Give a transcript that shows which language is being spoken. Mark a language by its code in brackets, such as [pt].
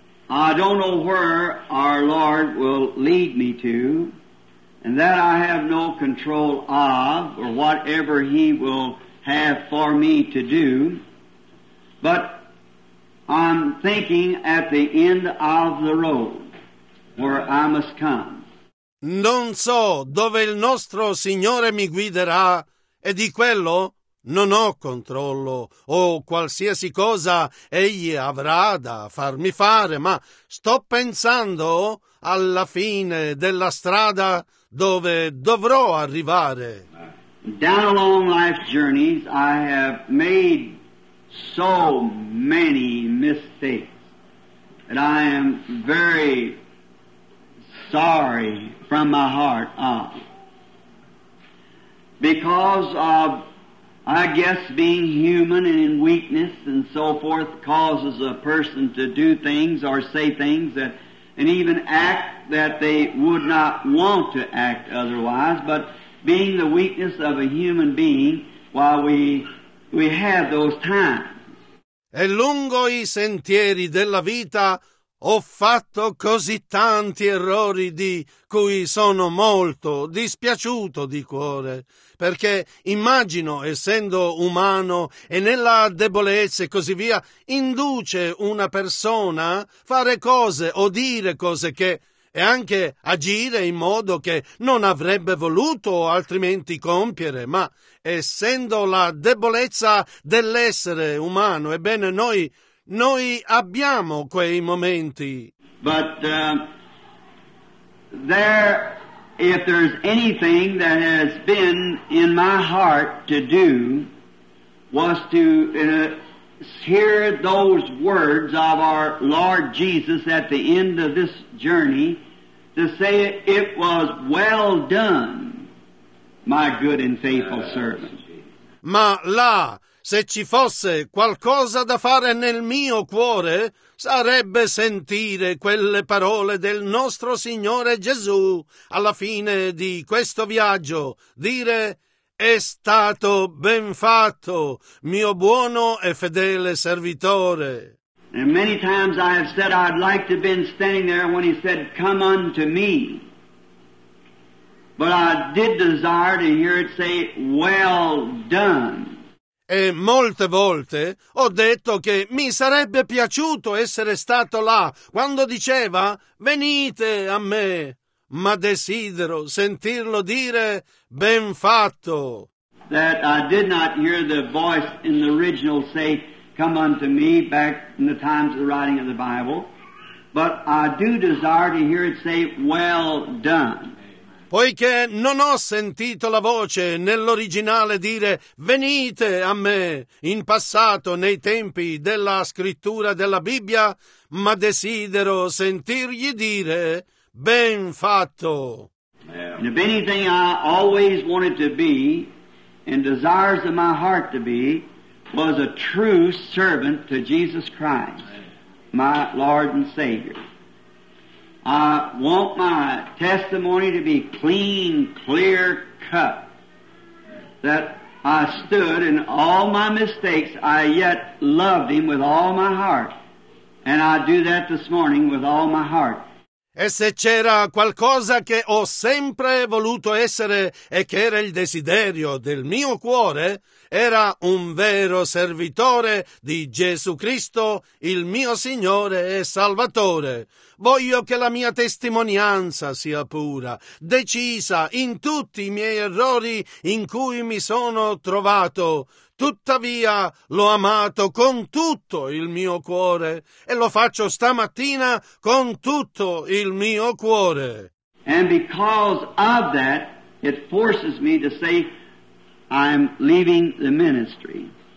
[en] I don't know where our Lord will lead me to, and that I have no control of, or whatever he will have for me to do, but I'm thinking at the end of the road where I must come. [it] Non so dove il nostro Signore mi guiderà e di quello non ho controllo o qualsiasi cosa egli avrà da farmi fare, ma sto pensando alla fine della strada dove dovrò arrivare. [en] Down along life's journeys I have made so many mistakes and I am very sorry from my heart on. Because of, I guess, being human and in weakness and so forth causes a person to do things or say things that, and even act that they would not want to act otherwise, but being the weakness of a human being, while we have those times. [it] E lungo i sentieri della vita ho fatto così tanti errori di cui sono molto dispiaciuto di cuore, perché immagino, essendo umano e nella debolezza e così via, induce una persona a fare cose o dire cose che, e anche agire in modo che non avrebbe voluto altrimenti compiere, ma essendo la debolezza dell'essere umano, ebbene noi abbiamo quei momenti. [en] But there, if there's anything that has been in my heart to do, was to hear those words of our Lord Jesus at the end of this journey, to say it was well done, my good and faithful servant. [it] Ma là, se ci fosse qualcosa da fare nel mio cuore, sarebbe sentire quelle parole del nostro Signore Gesù alla fine di questo viaggio, dire: è stato ben fatto, mio buono e fedele servitore. [en] And many times I have said I'd like to have been standing there when he said, come unto me. But I did desire to hear it say, well done. [it] E molte volte ho detto che mi sarebbe piaciuto essere stato là quando diceva venite a me, ma desidero sentirlo dire ben fatto. [en] That I did not hear the voice in the original say come unto me back in the times of the writing of the Bible, but I do desire to hear it say well done. [it] Poiché non ho sentito la voce nell'originale dire venite a me in passato nei tempi della scrittura della Bibbia, ma desidero sentirgli dire ben fatto. [en] And if anything I always wanted to be and desires of my heart to be was a true servant to Jesus Christ, my Lord and Savior. I want my testimony to be clean, clear cut, that I stood in all my mistakes, I yet loved him with all my heart, and I do that this morning with all my heart. [it] E se c'era qualcosa che ho sempre voluto essere e che era il desiderio del mio cuore, era un vero servitore di Gesù Cristo, il mio Signore e Salvatore. Voglio che la mia testimonianza sia pura, decisa in tutti i miei errori in cui mi sono trovato. Tuttavia l'ho amato con tutto il mio cuore e lo faccio stamattina con tutto il mio cuore. [en] And because of that, it forces me to say I'm leaving the ministry.